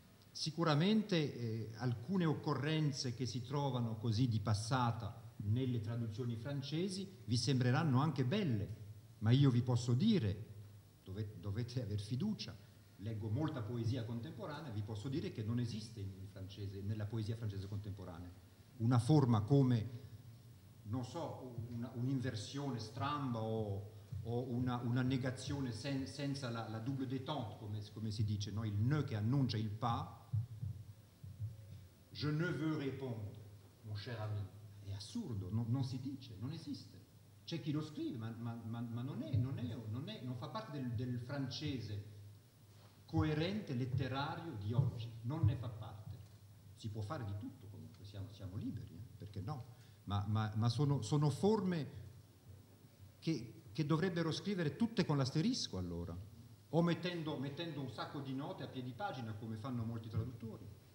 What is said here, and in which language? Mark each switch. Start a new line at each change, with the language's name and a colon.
Italian: sicuramente alcune occorrenze che si trovano così di passata nelle traduzioni francesi vi sembreranno anche belle, ma io vi posso dire, dovete aver fiducia, leggo molta poesia contemporanea, vi posso dire che non esiste in francese, nella poesia francese contemporanea, una forma come, non so, un'inversione stramba o o una negazione senza la double détente, come si dice, no? Il ne che annuncia il pas.
French: Je ne veux répondre, mon cher ami.
Italian: È assurdo, non si dice, non esiste. C'è chi lo scrive, ma non fa parte del francese coerente letterario di oggi, non ne fa parte. Si può fare di tutto, comunque siamo liberi, perché no? Ma sono forme che dovrebbero scrivere tutte con l'asterisco, allora, o mettendo un sacco di note a piè di pagina, come fanno molti traduttori.